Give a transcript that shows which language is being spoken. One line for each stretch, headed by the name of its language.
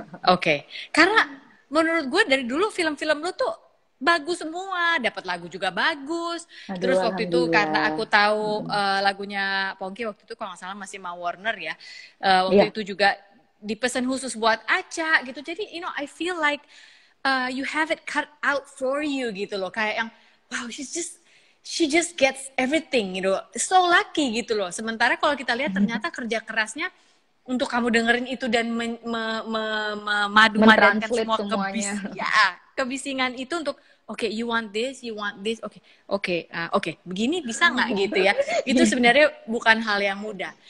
Indonesian: Oke, karena menurut gue dari dulu film-film lu tuh bagus semua, dapat lagu juga bagus. Terus waktu itu karena aku tahu lagunya Pongki waktu itu kalau nggak salah masih Mau Warner ya, waktu itu juga dipesan khusus buat Aca gitu.
English: Jadi, you know, I feel like you have it cut out for you gitu loh, kayak yang wow, she just gets everything gitu, you know? So lucky gitu loh.
Indonesian: Sementara kalau kita lihat ternyata kerja kerasnya untuk kamu dengerin itu dan memadu-madankan semua kebisingan itu untuk okay, you want this, okay, begini bisa nggak gitu ya? Itu sebenarnya bukan hal yang mudah.